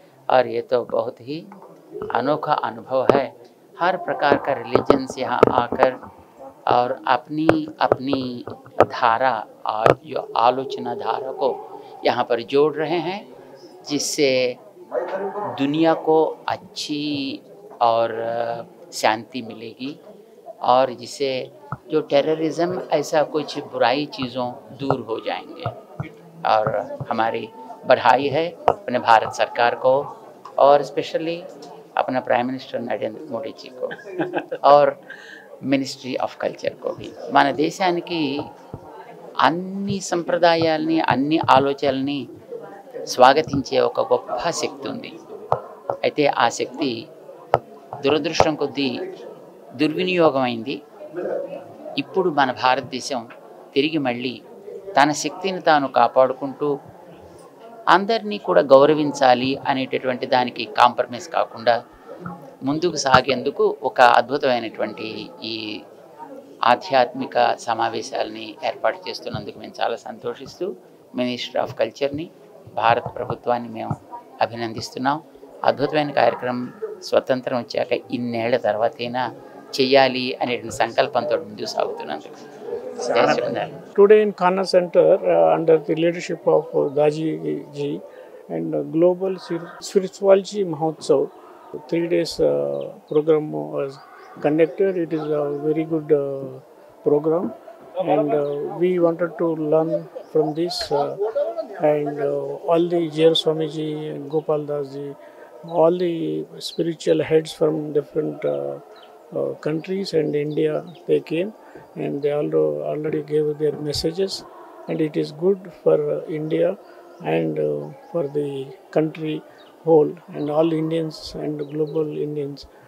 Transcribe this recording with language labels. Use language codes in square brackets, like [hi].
[hi] और ये तो बहुत ही अनोखा अनुभव है. हर प्रकार का रिलीजन्स यहाँ आकर और अपनी अपनी धारा और जो आलोचना धारा को यहाँ पर जोड़ रहे हैं, जिससे दुनिया को अच्छी और शांति मिलेगी और जिसे जो टेररिज्म ऐसा कुछ बुराई चीज़ों दूर हो जाएंगे. और हमारी बधाई है अपने भारत सरकार को और स्पेशली अपना प्राइम मिनिस्टर नरेंद्र मोदी जी को और मिनिस्ट्री ऑफ कल्चर को भी. [te] मन देशानिकि अन्नी సంప్రదాయాలని అన్ని ఆలోచనల్ని స్వాగతించే ఒక గొప్ప శక్తి ఉంది. అయితే ఆ శక్తి దురదృష్టం కొద్దీ దుర్వినియోగమైంది. ఇప్పుడు మన భారతదేశం తిరిగి మళ్ళీ తన శక్తిని తాను కాపాడుకుంటూ అందరినీ కూడా గౌరవించాలి అనేటటువంటి దానికి కాంప్రమైజ్ కాకుండా ముందుకు సాగేందుకు ఒక అద్భుతమైనటువంటి ఈ ఆధ్యాత్మిక సమావేశాలని ఏర్పాటు చేస్తున్నందుకు మేము చాలా సంతోషిస్తూ మినిస్టర్ ఆఫ్ కల్చర్ని, భారత ప్రభుత్వాన్ని మేము అభినందిస్తున్నాం. అద్భుతమైన కార్యక్రమం స్వతంత్రం వచ్చాక ఇన్నేళ్ల తర్వాతైనా చేయాలి అనే సంకల్పంతో ముందుకు సాగుతున్నందుకు. [en] Today in Kanha centre under the leadership of Daajiji and global spirituality Mahotsav 3 days programme was conducted. It is a very good programme and we wanted to learn from this and all the Jeeyar Swamiji and Gopal Dasji, all the spiritual heads from different countries and India, they came and they already gave their messages and it is good for India and for the country whole and all Indians and global Indians.